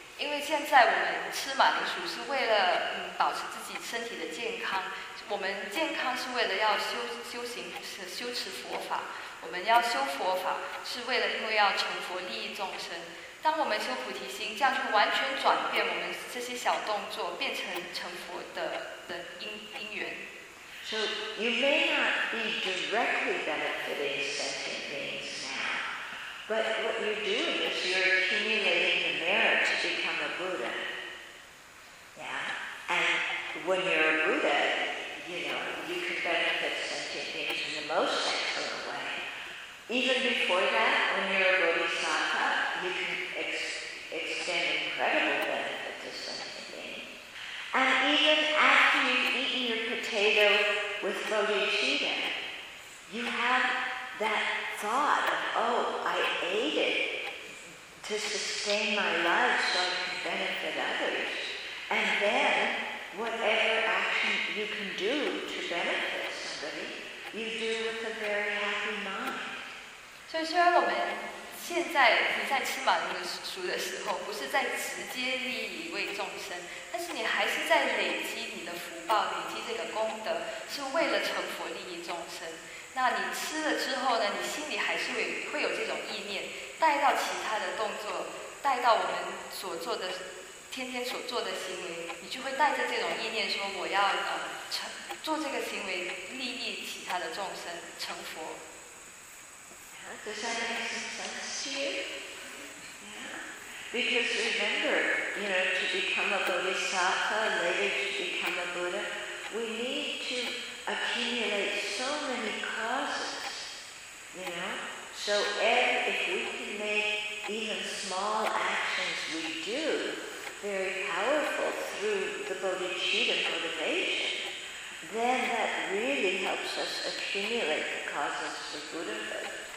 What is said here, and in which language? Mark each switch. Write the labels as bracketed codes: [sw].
[zh] 因为现在我们吃马铃薯是为了保持自己身体的健康，我们健康是为了要修持佛法，我们要修佛法是为了因为要成佛利益众生。当我们修菩提心，这样就完全转变我们这些小动作变成成佛的因缘。 [en] So you may not be directly benefiting sentient beings now, but what you're doing is you're accumulating the merit to become a Buddha. Yeah. And when you're a Buddha, you know, you can benefit sentient beings in the most excellent way. Even before that, when you're a Bodhisattva, you can extend incredible benefit to sentient beings. And even after you've eaten your potato with bodhicitta, you have that thought of, oh, I ate it to sustain my life so I can benefit others. And then, whatever action you can do to benefit somebody, you do with a very happy mind. So, sir, woman. [zh] 现在你在吃马铃薯的时候，不是在直接利益为众生，但是你还是在累积你的福报，累积这个功德，是为了成佛利益众生。那你吃了之后呢，你心里还是会有这种意念，带到其他的动作，带到我们所做的天天所做的行为，你就会带着这种意念说，我要做这个行为，利益其他的众生，成佛。 [en] Does that make sense to you? Yeah. Because remember, you know, to become a bodhisattva, later to become a Buddha, we need to accumulate so many causes, you know? So if we can make even small actions we do very powerful through the bodhicitta motivation, then that really helps us accumulate the causes for Buddhahood.